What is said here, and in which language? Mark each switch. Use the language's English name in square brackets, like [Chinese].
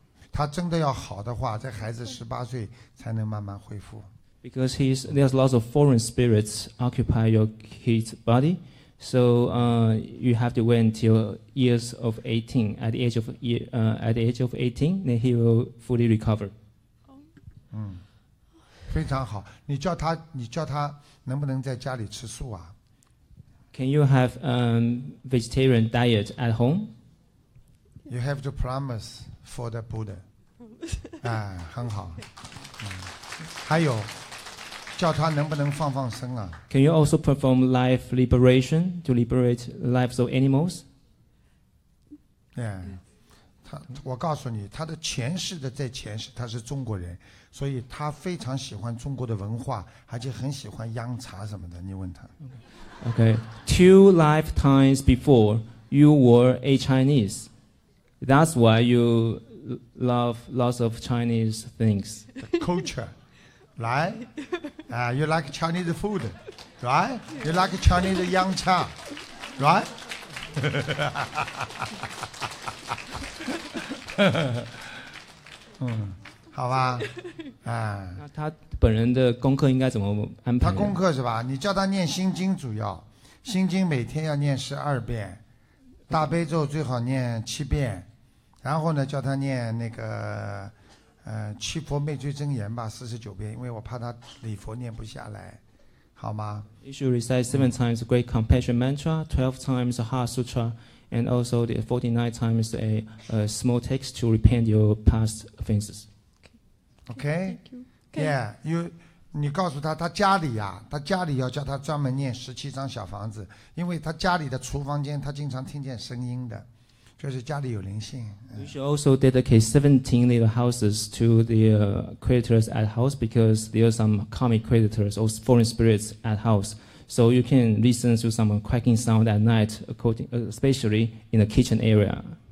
[Chinese] 他真的要好的话，这孩子18岁才能慢慢恢复。 [English] Because there's lots of foreign spirits occupy your kid's body, so you have to wait until years of 18. At the age of 18, then he will fully recover. [Chinese] 嗯，非常好。你叫他能不能在家里吃素啊 [English] ？Can you have vegetarian diet at home? You have to promise. For the Buddha, [Chinese] 哎，很好。嗯，还有，叫他能不能放放生啊 [English] ？Can you also perform life liberation to liberate lives of animals? [Chinese] Yeah, 我告诉你，他的前世的在前世他是中国人，所以他非常喜欢中国的文化，而且很喜欢洋茶什么的。你问他。 [English] Okay, two lifetimes before you were a Chinese. That's why you love lots of Chinese things. The culture, right? You like Chinese food, right? You like Chinese yang cha, right? [Chinese] 好吧，啊。那他本人的功课应该怎么安排？他功课是吧？你叫他念心经主要，心经每天要念12遍，大悲咒最好念7遍。然后呢，叫他念那个，七佛灭罪真言吧，49遍，因为我怕他礼佛念不下来，好吗 [English] ？You should recite 7 times Great Compassion Mantra, 12 times Heart Sutra, and also the 49 times a small text to repent your past offenses. Okay. Thank you. Yeah, you. [Chinese] 你告诉他，他家里呀、啊，他家里要叫他专门念17张小房子，因为他家里的厨房间，他经常听见声音的。就是家里有灵性。 [English] You should also dedicate 17 little houses to the creditors at house because there are some karmic creditors or foreign spirits at house. So you can listen to some cracking sound at night, especially in the kitchen area.